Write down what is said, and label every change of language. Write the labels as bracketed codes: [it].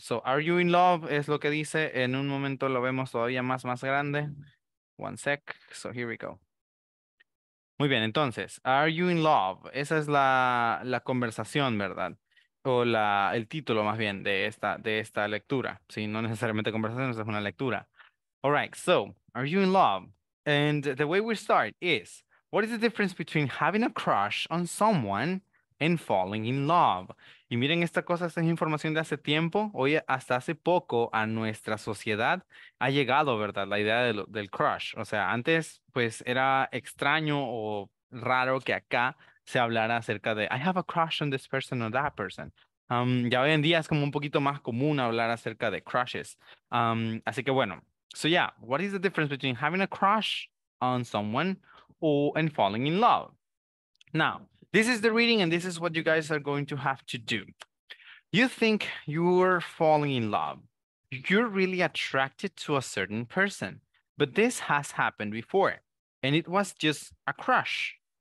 [en] So, are you in love? [es] Es lo que dice. En un momento lo vemos todavía más grande. [en] One sec. So, here we go. [es] Muy bien, entonces, [en] are you in love? [es] Esa es la conversación, ¿verdad? O el título, más bien, de esta lectura. Sí, no necesariamente conversación, es una lectura. [en] All right, so, are you in love? And the way we start is, what is the difference between having a crush on someone and falling in love? [es] Y miren, esta cosa, esta es información de hace tiempo. Hoy, hasta hace poco, a nuestra sociedad ha llegado, ¿verdad?, la idea del crush. O sea, antes, pues, era extraño o raro que acá se hablara acerca de [en] I have a crush on this person or that person. [es] Ya hoy en día es como un poquito más común hablar acerca de crushes. Así que, bueno. [en] So, yeah, what is the difference between having a crush on someone and falling in love? Now, this is the reading and this is what you guys are going to have to do. You think you're falling in love. You're really attracted to a certain person, but this has happened before and it was just a crush.